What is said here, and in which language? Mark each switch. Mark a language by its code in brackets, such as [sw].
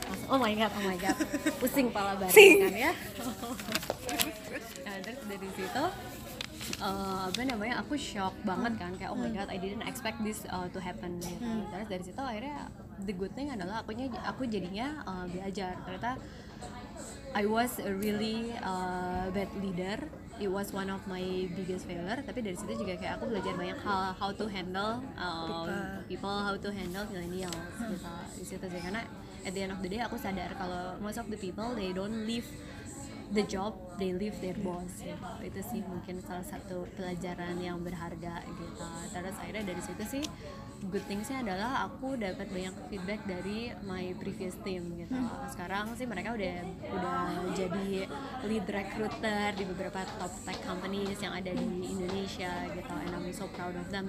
[en] Oh my god, [id] pusing kepala bareng kan ya. Nah, terus dari situ, apa namanya, aku shock banget kan, kayak oh my god, [en] I didn't expect this to happen. [id] Terus dari situ akhirnya [en] the good thing [id] adalah aku jadinya belajar. Ternyata [en] I was a really bad leader. It was one of my biggest failure. [id] Tapi dari situ juga kayak aku belajar banyak hal, [en] how to handle people, how to handle millennials. [id] Di situ sih, karena [en] at the end of the day [id] aku sadar kalau [en] most of the people they don't leave the job they leave their boss gitu. [id] Itu sih mungkin salah satu pelajaran yang berharga gitu. Terus akhirnya dari situ sih good thingsnya adalah aku dapat banyak feedback dari [en] my previous team [id] gitu. Sekarang sih mereka udah jadi lead recruiter di beberapa top tech companies yang ada di Indonesia gitu, [en] and I'm so proud of them.